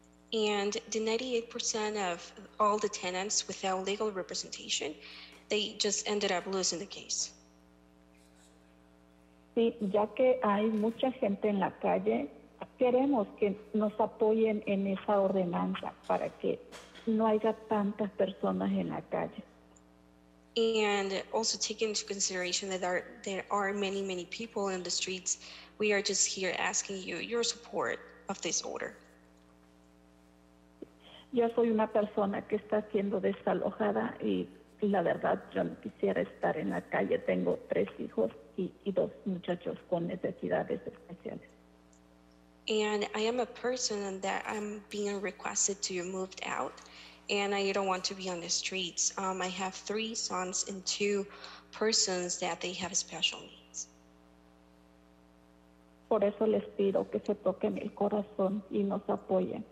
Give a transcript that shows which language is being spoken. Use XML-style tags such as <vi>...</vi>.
<en>And the 98% of all the tenants without legal representation, they just ended up losing the case.</en> <es>Sí, ya que hay mucha gente en la calle, queremos que nos apoyen en esa ordenanza para que no haya tantas personas en la calle.</es> <en>And also take into consideration that there are many, many people in the streets. We are just here asking you your support of this order.</en> <es>Yo soy una persona que está siendo desalojada y la verdad yo no quisiera estar en la calle. Tengo tres hijos y dos muchachos con necesidades especiales.</es> <en>And I am a person that I'm being requested to be moved out, and I don't want to be on the streets. I have three sons and two persons that they have special needs.</en> <es>Por eso les pido que se toquen el corazón y nos apoyen.</es>